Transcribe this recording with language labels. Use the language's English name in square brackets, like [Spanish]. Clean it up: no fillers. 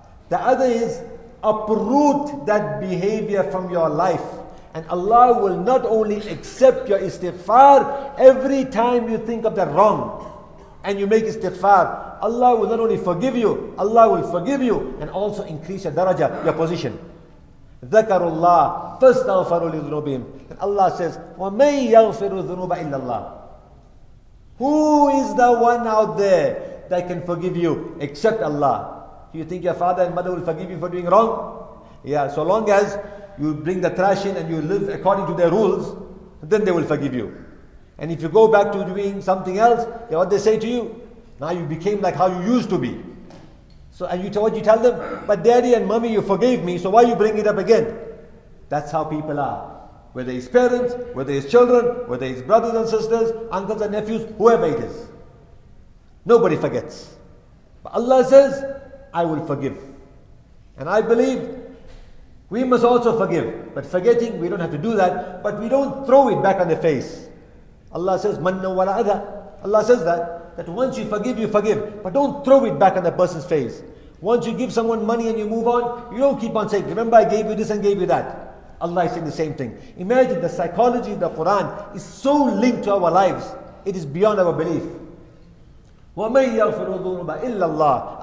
[English] The other is uproot that behavior from your life. And Allah will not only accept your istighfar every time you think of the wrong and you make istighfar. Allah will not only forgive you, Allah will forgive you and also increase your daraja, your position. [Arabic] ذَكَرُ اللَّهِ فَاسْتَغْفَرُوا لِذُنُوبِهِمْ. [English] And Allah says, [Arabic] وَمَنْ يَغْفِرُ الذُنُوبَ إِلَّا اللَّهُ. [English] Who is the one out there that can forgive you except Allah? Do you think your father and mother will forgive you for doing wrong? Yeah, so long as you bring the trash in and you live according to their rules, then they will forgive you. And if you go back to doing something else, yeah, what they say to you? Now you became like how you used to be. So, and you tell what you tell them? But daddy and mommy, you forgave me, so why you bring it up again? That's how people are. Whether it's parents, whether it's children, whether it's brothers and sisters, uncles and nephews, whoever it is. Nobody forgets. But Allah says, I will forgive. And I believe we must also forgive. But forgetting, we don't have to do that. But we don't throw it back on the face. Allah says, [Arabic] مَنَّ وَلَا أَذَى. [English] Allah says that. That once you forgive, you forgive. But don't throw it back on the person's face. Once you give someone money and you move on, you don't keep on saying, remember I gave you this and gave you that. Allah is saying the same thing. Imagine the psychology of the Quran is so linked to our lives. It is beyond our belief. [Arabic] وَمَنْ يَغْفِرُ الذُّنُوبَ إِلَّا اللَّهِ.